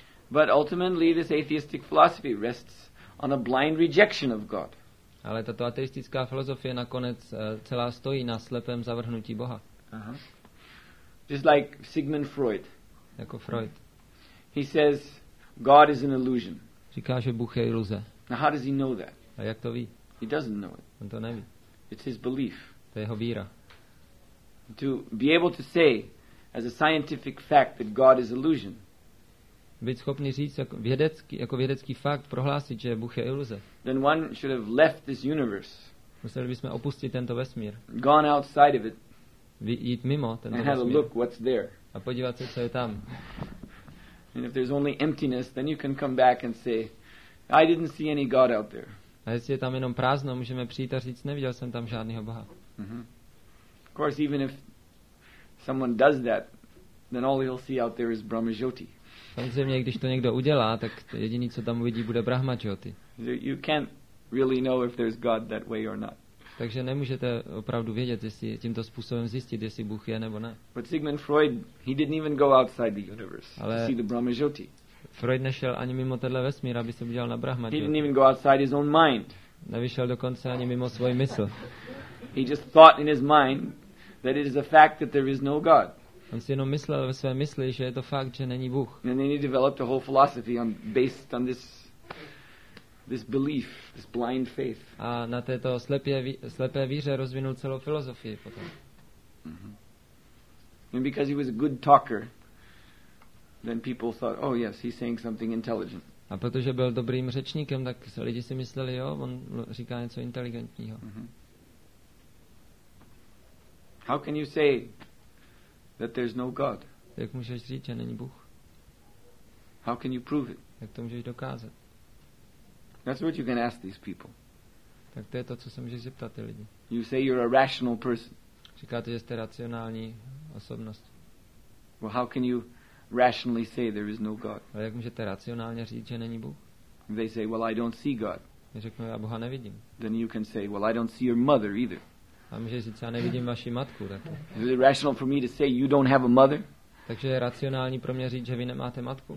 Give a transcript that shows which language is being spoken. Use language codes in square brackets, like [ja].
[en] But ultimately this atheistic philosophy rests on a blind rejection of God. [cs] Ale tato ateistická filozofie nakonec celá stojí na slepém zavrhnutí Boha. [en] Uh-huh. Just like Sigmund Freud. [cs] Jako Freud. [en] He says God is an illusion. [cs] Říká, že Bůh je iluze. [en] Now how does he know that? [cs] A jak to ví? [en] He doesn't know it. [cs] On to neví. [en] It's his belief. [cs] To je jeho víra. [en] To be able to say as a scientific fact that God is illusion. [cs] Být schopný říct jako vědecký fakt prohlásit, že Bůh je iluze. [en] Then one should have left this universe. [cs] Museli bychom opustit tento vesmír. [en] Gone outside of it. [cs] Jít mimo tento [en] and [cs] vesmír. [en] And have a look what's there. [cs] A podívat se, co je tam. [en] And if there's only emptiness, then you can come back and say, I didn't see any God out there. [cs] A jestli je tam jenom prázdno, můžeme přijít a říct, neviděl jsem tam žádného Boha. [en] Mm-hmm. Of course, even if someone does that, then all he'll see out there is Brahma Jyoti. [cs] Samozřejmě, když to někdo udělá, tak jediný, co tam uvidí, bude Brahma Jyoti. [en] You can't really know if there's God that way or not. [cs] Takže nemůžete opravdu vědět, jestli tímto způsobem zjistit, jestli Bůh je nebo ne. [en] But Sigmund Freud, he didn't even go outside the universe to see the Brahma Jyoti. [cs] Freud nešel ani mimo tenhle vesmír, aby se udělal na Brahma Jyoti. [en] He didn't even go outside his own mind. [cs] Nevyšel dokonce ani mimo svůj mysl. [en] He just thought in his mind that it is a fact that there is no God. [cs] On si jenom myslel ve své mysli, že je to fakt, že není Bůh. [en] And then he developed a whole philosophy on, based on this belief, this blind faith. [cs] A na této slepé víře rozvinul celou filozofii potom. [en] And because he was a good talker, then people thought, oh yes, he's saying something intelligent. [cs] A protože byl dobrým řečníkem, tak lidi si mysleli, jo, on říká něco inteligentního. Mm-hmm. [en] How can you say that there's no God? [cs] Jak můžeš říct, že není Bůh? [en] How can you prove it? [cs] Jak to můžeš dokázat? [en] That's what you can ask these people. [cs] Tak to je to, co se můžeš zeptat ty lidi. [en] You say you're a rational person. [cs] Říkáte, že jste racionální osobnost. [en] Well, how can you rationally say there is no God? [cs] Ale jak můžete racionálně říct, že není Bůh? [en] They say, well, I don't see God. [cs] Řeknu, já Boha nevidím. [en] Then you can say, well, I don't see your mother either. [cs] A můžeš říct, já nevidím vaši matku taky. [en] Is it rational for me to say you don't have a mother? [cs] Takže je racionální pro mě říct, že vy nemáte matku?